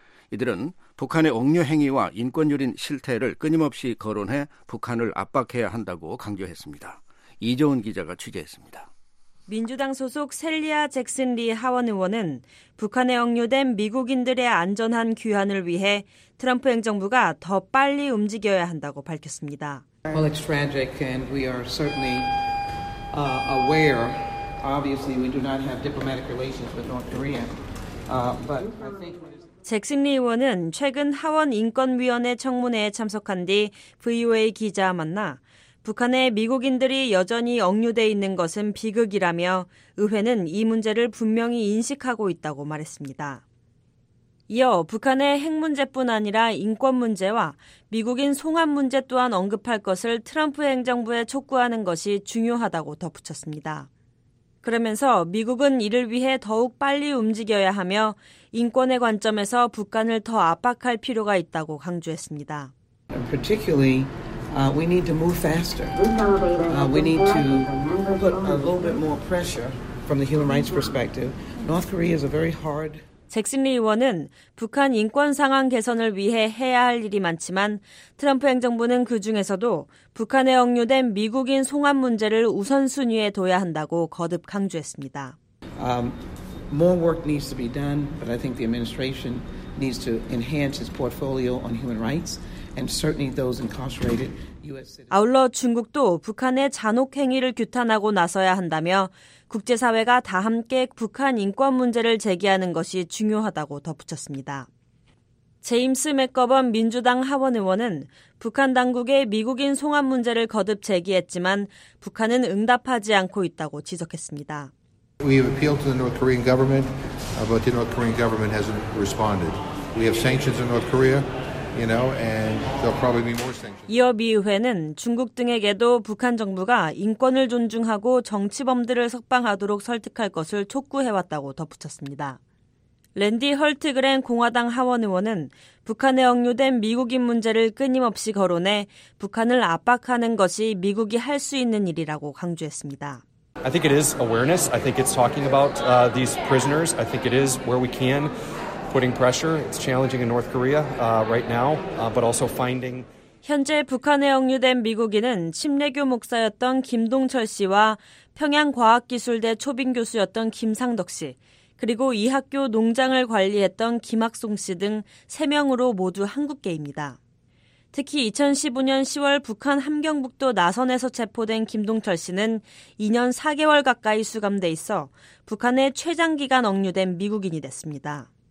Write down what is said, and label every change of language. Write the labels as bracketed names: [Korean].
[Korean] 이들은 북한의 억류 행위와 인권유린 실태를 끊임없이 거론해 북한을 압박해야 한다고 강조했습니다. 이재훈 기자가 취재했습니다. 민주당 소속 셀리아 잭슨 리 하원 의원은 북한에 억류된 미국인들의 안전한 귀환을 위해 트럼프 행정부가 더 빨리 움직여야 한다고 밝혔습니다. [English] Well, it's tragic and we are certainly aware. Obviously, we do not have diplomatic relations with North Korea. But I think [Korean] 잭슨 리 의원은 최근 하원 인권위원회 청문회에 참석한 뒤 VOA 기자와 만나 북한에 미국인들이 여전히 억류돼 있는 것은 비극이라며 의회는 이 문제를 분명히 인식하고 있다고 말했습니다. 이어 북한의 핵 문제뿐 아니라 인권 문제와 미국인 송환 문제 또한 언급할 것을 트럼프 행정부에 촉구하는 것이 중요하다고 덧붙였습니다. 그러면서 미국은 이를 위해 더욱 빨리 움직여야 하며 인권의 관점에서 북한을 더 압박할 필요가 있다고 강조했습니다. [English] Particularly, we need to move faster. We need to put a little bit more pressure from the human rights perspective. North Korea is a very hard. [Korean] 잭슨 리 의원은 북한 인권 상황 개선을 위해 해야 할 일이 많지만 트럼프 행정부는 그중에서도 북한에 억류된 미국인 송환 문제를 우선순위에 둬야 한다고 거듭 강조했습니다. [English] More work needs to be done, but I think the administration needs to enhance its portfolio on human rights and certainly those incarcerated U.S. citizens. [Korean] 아울러 중국도 북한의 잔혹 행위를 규탄하고 나서야 한다며 국제사회가 다 함께 북한 인권 문제를 제기하는 것이 중요하다고 덧붙였습니다. 제임스 맥거번 민주당 하원 의원은 북한 당국의 미국인 송환 문제를 거듭 제기했지만 북한은 응답하지 않고 있다고 지적했습니다. [English] We have appealed to the North Korean government, but the North Korean government hasn't responded. We have sanctions in North Korea. You know, and there'll probably be more sanctions. [Korean] 이어 미 의회는 중국 등에게도 북한 정부가 인권을 존중하고 정치범들을 석방하도록 설득할 것을 촉구해왔다고 덧붙였습니다. 랜디 헐트그랜 공화당 하원 의원은 북한에 억류된 미국인 문제를 끊임없이 거론해 북한을 압박하는 것이 미국이 할 수 있는 일이라고 강조했습니다. [English] I think it is awareness. I think it's talking about these prisoners. I think it is where we can. Putting pressure, it's challenging in North Korea right now, but also finding. [Korean] 현재 북한에 억류된 미국인은 침례교 목사였던 김동철 씨와 평양과학기술대 초빙 교수였던 김상덕 씨, 그리고 이 학교 농장을 관리했던 김학송 씨 등 3명으로 모두 한국계입니다. 특히 2015년 10월 북한 함경북도 나선에서 체포된 김동철 씨는 2년 4개월 가까이 수감돼 있어 북한의 최장기간 억류된 미국인이 됐습니다.